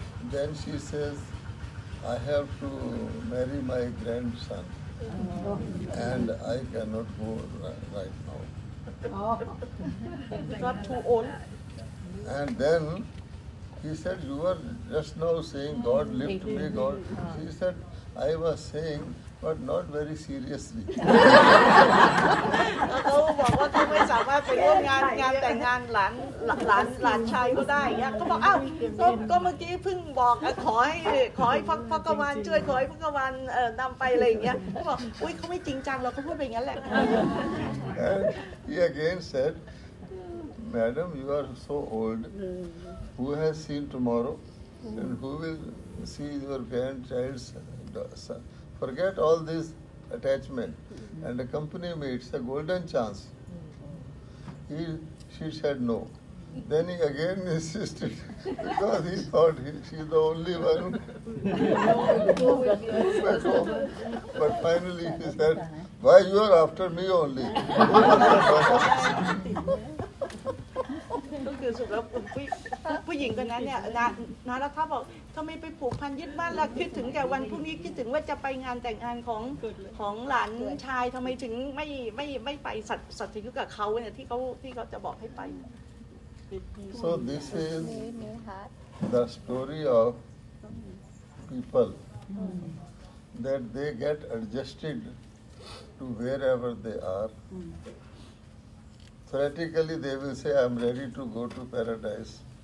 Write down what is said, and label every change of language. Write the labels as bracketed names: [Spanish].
[English] Then she says, I have to marry my grandson and I cannot go right now. Not too old. And then he said, you were just now saying, God lift me, God. She said,I was saying, but not very seriously. [Thai] เขาบอกว่าเขาไม่สามารถไปร่วมงานแต่งงานหลานชายเขาได้ยังเขาบอกอ้าวก็เมื่อกี้เพิ่งบอกขอให้พระกวันช่วยขอให้พระกวันนำไปอะไรอย่างเงี้ยเขาบอกอุ้ยเขาไม่จริงจังหรอกเขาพูดไปงั้นแหละ [English] And he again said, "Madam, you are so old. Who has seen tomorrow, and who will see your grandchild's?" Forget all this attachment and accompany me. It's a golden chance. She said no. Then he again insisted because he thought she's the only one. But finally he said, "Why you are after me only?" [Thai] ก็คือสุดแล้วผู้หญิงคนนั้นเนี่ยนาแล้วเขาบอกทำไมไปผูกพันยึดมั่นล่ะคิดถึงแต่วันพรุ่งนี้คิดถึงว่าจะไปงานแต่งงานของหลานชายทำไมถึงไม่ไปสัตยุกับเขาเนี่ยที่เขาจะบอกให้ไป [English] so this is the story of people that they get adjusted to wherever they are Theoretically, they will say, I am ready to go to paradise.